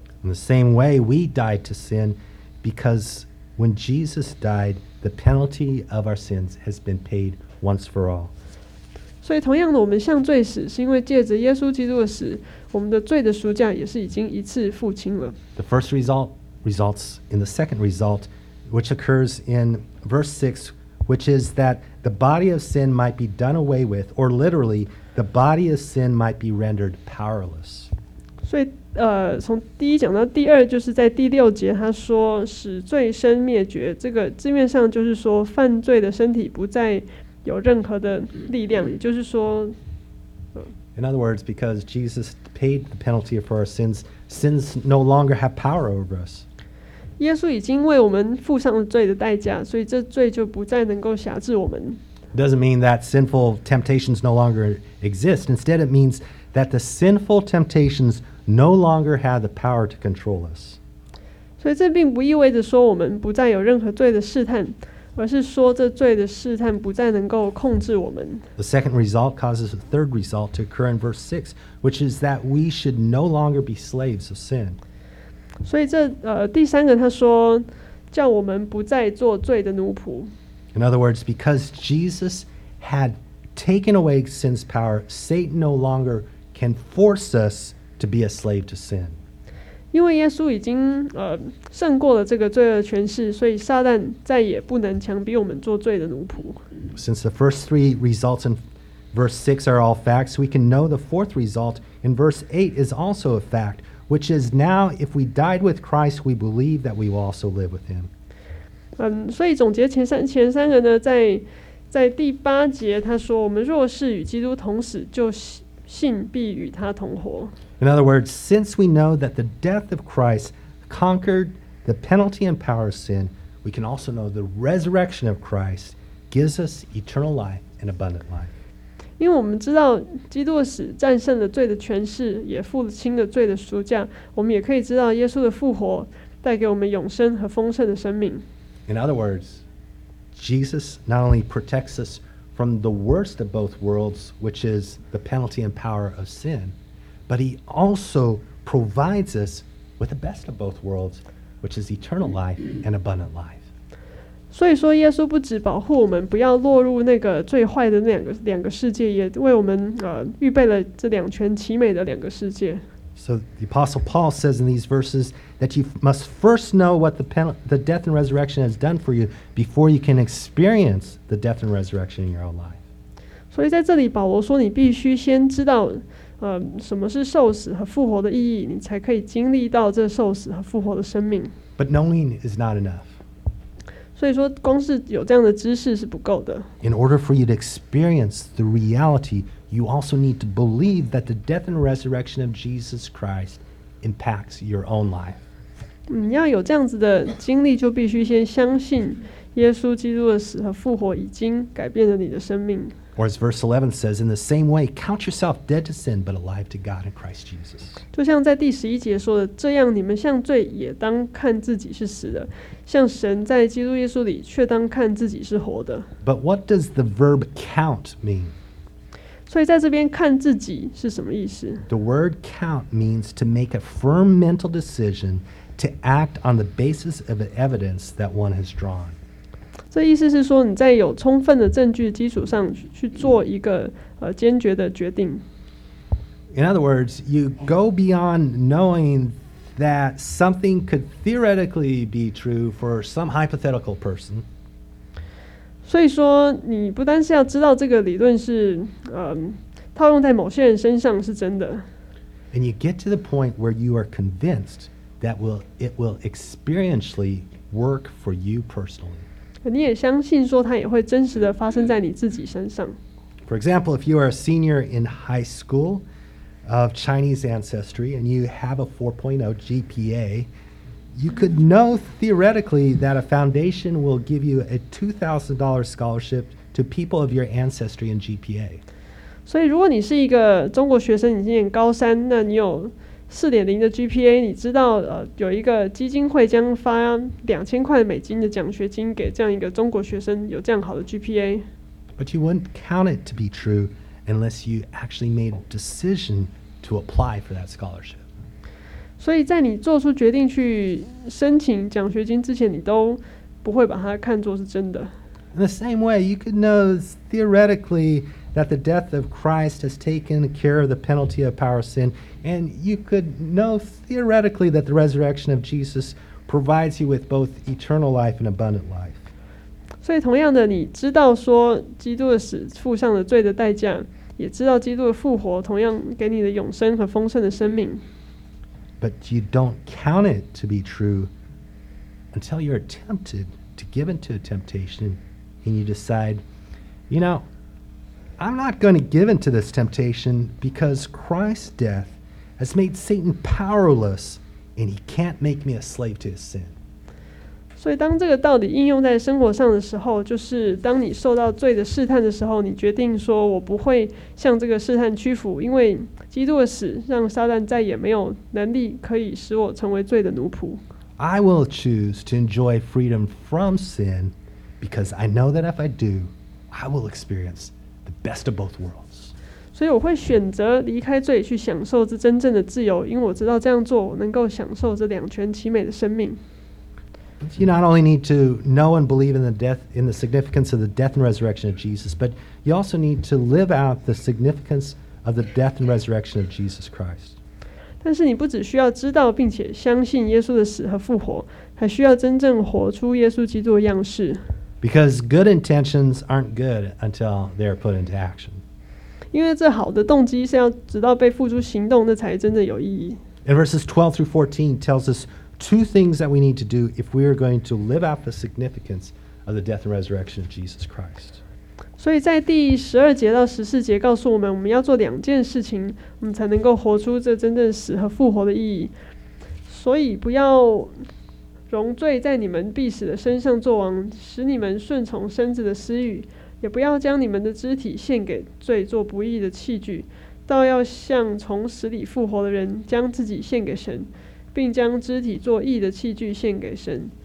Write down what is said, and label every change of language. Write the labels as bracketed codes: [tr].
[en] In the same way, we died to sin because when Jesus died,the penalty of our sins has been paid once for all. [zh] 所以同样的，我们向罪死，是因为借着耶稣基督的死，我们的罪的赎价也是已经一次付清了。 [en] The first result results in the second result, which occurs in verse 6, which is that the body of sin might be done away with, or literally, the body of sin might be rendered powerless. [zh] 所以从第一讲到第二，就是在第六节，他说使罪身灭绝，这个字面上就是说犯罪的身体不再有任何的力量，也就是说 [en] In other words, because Jesus paid the penalty for our sins, sins no longer have power over us. [zh] 耶稣已经为我们付上了罪的代价，所以这罪就不再能够辖制我们。 [en] It doesn't mean that sinful temptations no longer exist. Instead, it means that the sinful temptationsNo longer have the power to control us. [zh] 所以这并不意味着说我们不再有任何罪的试探，而是说这罪的试探不再能够控制我们。 [en] The second result causes a third result to occur in verse 6, which is that we should no longer be slaves of sin. [zh] 所以这第三个他说叫我们不再做罪的奴仆。 [en] In other words, because Jesus had taken away sin's power, Satan no longer can force us to be a slave to sin. [zh] 因为耶稣已经胜过了这个罪恶的权势，所以撒旦再也不能强逼我们做罪的奴仆。 [en] Since the first three results in verse 6 are all facts, we can know the fourth result in verse 8 is also a fact, which is now if we died with Christ, we believe that we will also live with him. [zh] 所以总结前三个呢，在第八节他说，我们若是与基督同死，就信必与他同活。 [en] In other words, since we know that the death of Christ conquered the penalty and power of sin, we can also know the resurrection of Christ gives us eternal life and abundant life. [zh] 因为我们知道基督死战胜了罪的权势，也付清了罪的赎价，我们也可以知道耶稣的复活带给我们永生和丰盛的生命。 [en] In other words, Jesus not only protects us from the worst of both worlds, which is the penalty and power of sin,But he also provides us with the best of both worlds, which is eternal life and abundant life. [zh] 所以说耶稣不只保护我们不要落入那个最坏的两个世界，也为我们预备了这两全其美的两个世界。 [en] So the Apostle Paul says in these verses that you must first know what the death and resurrection has done for you before you can experience the death and resurrection in your own life. [zh] 所以在这里保罗说你必须先知道什么是受死和复活的意义，你才可以经历到这受死和复活的生命。 [en] But knowing is not enough. [zh] 所以说，光是有这样的知识是不够的。 [en] In order for you to experience the reality, you also need to believe that the death and resurrection of Jesus Christ impacts your own life. [zh] 你要有这样子的经历，就必须先相信耶稣基督的死和复活已经改变了你的生命。 [en] Or as verse 11 says, in the same way, count yourself dead to sin, but alive to God in Christ Jesus. [zh] 就像在第十一节说的，这样你们向罪也当看自己是死的，向神在基督耶稣里却当看自己是活的。 [en] But what does the verb count mean? [zh] 所以在这边看自己是什么意思？ [en] The word count means to make a firm mental decision to act on the basis of the evidence that one has drawn. [zh] 这意思是说你在有充分的证据基础上去做一个坚决的决定。 [en] In other words, you go beyond knowing that something could theoretically be true for some hypothetical person. [zh] 所以说你不单是要知道这个理论是套用在某些人身上是真的。 [en] And you get to the point where you are convinced that it will experientially work for you personally. [zh] 你也相信说它也会真实的发生在你自己身上。 [en] For example, if you are a senior in high school of Chinese ancestry and you have a 4.0 GPA, you could know theoretically that a foundation will give you a $2,000 scholarship to people of your ancestry and GPA. [zh] 所以如果你是一个中国学生，你今年高三，那你有4.0 的 GPA， 你知道有一个基金会将发$2,000的奖学金给这样一个中国学生有这样好的 GPA。 [en] But you wouldn't count it to be true unless you actually made a decision to apply for that scholarship. [zh] 所以在你做出决定去申请奖学金之前，你都不会把它看作是真的。 [en] In the same way, you could know theoretically. That the death of Christ has taken care of the penalty of power of sin, and you could know theoretically that the resurrection of Jesus provides you with both eternal life and abundant life. [zh] 所以同样的，你知道说基督的死付上了罪的代价，也知道基督的复活同样给你的永生和丰盛的生命。 [en] But you don't count it to be true until you're tempted to give into a temptation, and you decide, you know. I'm not going to give in to this temptation because Christ's death has made Satan powerless and he can't make me a slave to his sin. [zh] 所以当这个道理应用在生活上的时候，就是当你受到罪的试探的时候，你决定说我不会向这个试探屈服，因为基督的死让撒旦再也没有能力可以使我成为罪的奴仆。 [en] I will choose to enjoy freedom from sin because I know that if I do, I will experience sin. Best of both worlds. [zh] 所以我会选择离开罪去享受这真正的自由，因为我知道这样做我能够享受这两全其美的生命。 [en] You not only need to know and believe in the death, in the significance of the death and resurrection of Jesus, but you also need to live out the significance of the death and resurrection of Jesus Christ. [zh] 但是你不只需要知道并且相信耶稣的死和复活，还需要真正活出耶稣基督的样式。 [en] Because good intentions aren't good until they're put into action. [zh] 因为这好的动机是要直到被付诸行动，那才真的有意义。 [en] And verses 12 through 14 tells us two things that we need to do if we are going to live out the significance of the death and resurrection of Jesus Christ. [zh] 所以在第十二节到十四节告诉我们，我们要做两件事情，我们才能够活出这真正死和复活的意义。所以不要容罪在你们必死的身上作王，使你们顺从身子的私欲，也不要将你们的肢体献给罪做不义的器具，倒要像从死里复活的人，将自己献给神，并将肢体做义的器具献给神。